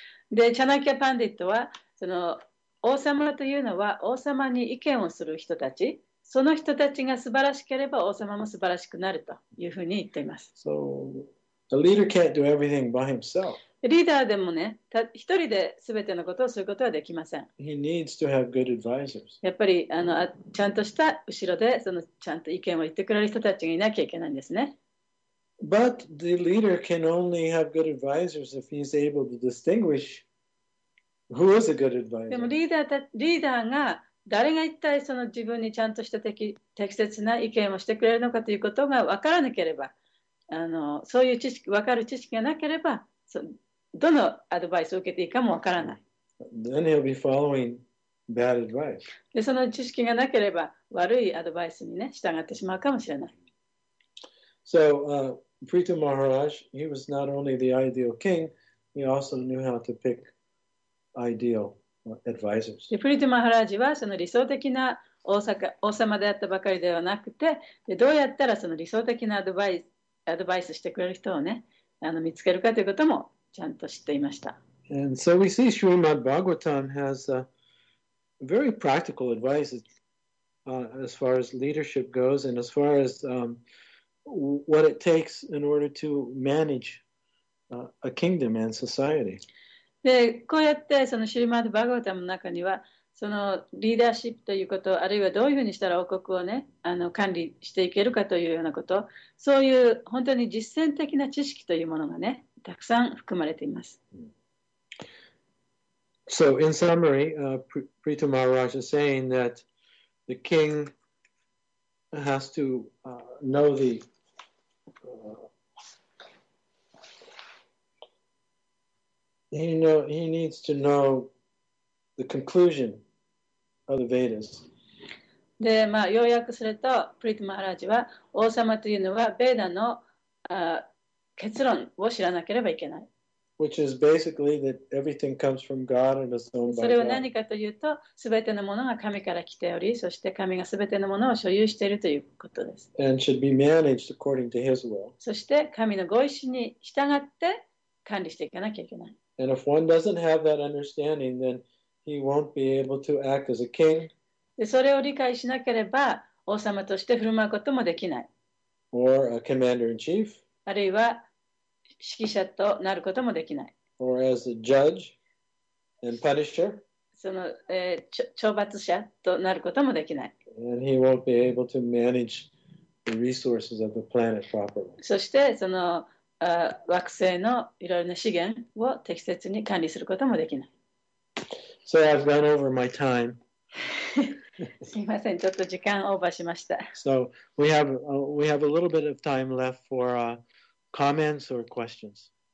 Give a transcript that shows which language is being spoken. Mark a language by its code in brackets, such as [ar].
[ja] で、Chanakya Pandit は、その王様というのは王様に意見をする人たち、その人たちが素晴らしければ王様も素晴らしくなるというふうに言っています。 [en] So, a leader can't do everything by himself. [ja] リーダーでもね、一人で全てのことをすることはできません。 [en] He needs to have good advisors. [ja] やっぱりあのちゃんとした後ろでそのちゃんと意見を言ってくれる人たちがいなきゃいけないんですね。 [en] But the leader can only have good advisors if he's able to distinguish who is a good advisor. [ja] でもリーダーが誰が一体その自分にちゃんとした適切な意見をしてくれるのかということが分からなければ、あのそういう知識分かる知識がなければ、そどのアドバイスを受けていいかも分からない。 [en] Then he'll be following bad advice. [ja] でその知識がなければ悪いアドバイスにね従ってしまうかもしれない。 [en] So, Prithu Maharaj, he was not only the ideal king, he also knew how to pick ideal advisors. [ja] Prithu Maharaj はその理想的な王様であったばかりではなくて、どうやったらその理想的なアドバイスしてくれる人をね、あの見つけるかということもちゃんと知っていました。 [en] And so we see Srimad Bhagavatam has a very practical advice as far as leadership goes and as far as what it takes in order to manage a kingdom and society. [ja] で、こうやってそのシュリマド・バガヴァタムの中には、そのリーダーシップということ、あるいはどういうふうにしたら王国をね、あの管理していけるかというようなこと、そういう本当に実践的な知識というものがね、たくさん含まれています。 [en] So in summary, Prithu Maharaj is saying that the king has to know the he needs to know the conclusion of the Vedas. [ja] で、まあ要約すると、プリティマハラジは王様というのはベーダの結論を知らなければいけない。 [en] Which is basically that everything comes from God and is owned by God. [ja] それは何かというと、すべてのものが神から来ており、そして神がすべてのものを所有しているということです。 [en] And should be managed according to His will. [ja] そして神のご意志に従って管理していかなきゃいけない。 [en] And if one doesn't have that understanding, then he won't be able to act as a king. [ja] で、それを理解しなければ王様として振る舞うこともできない。 [en] Or a commander in chief. [ja] あるいは指揮者となることもできない。 [en] Or as a judge and punisher. [ja] その、懲罰者となることもできない。 [en] And he won't be able to manage the resources of the planet properly. [ja] そしてその惑星のいろいろな資源を適切に管理することもできない。 [en] So I've gone over my time. [ja] すみません、ちょっと時間オーバーしました。 [en] So we have a little bit of time left for comments or questions.